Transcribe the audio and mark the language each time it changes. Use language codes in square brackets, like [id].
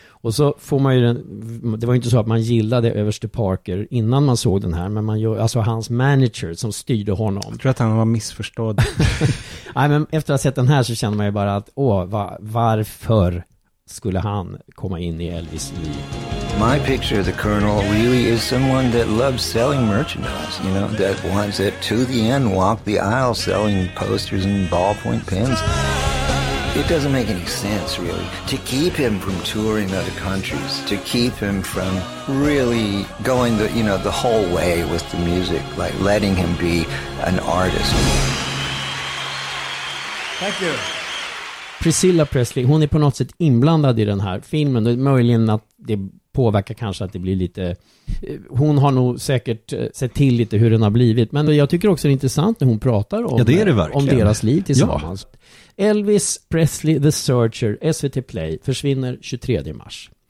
[sv] Och så får man ju det var ju inte så att man gillade överste Parker innan man såg den här, men man gör alltså hans manager som styrde honom. Jag tror att han var missförstådd. Nej, men efter att ha sett den här så känner man ju bara att varför skulle han komma in i Elvis liv? [en] My picture of the Colonel really is someone that loves selling merchandise, you know, that wants it to the end, walk the aisle selling posters and ballpoint pens. It doesn't make any sense, really, to keep him from touring other countries, to keep him from really going the whole way with the music, like letting him be an artist. Thank you. [sv] Priscilla Presley, hon är på något sätt inblandad i den här filmen. Det är möjligen att det påverkar kanske att det blir lite... Hon har nog säkert sett till lite hur den har blivit. Men jag tycker också det är intressant när hon pratar om, ja, det är det verkligen, om deras liv tillsammans. Ja. Elvis Presley, The Searcher, SVT Play, försvinner 23 mars.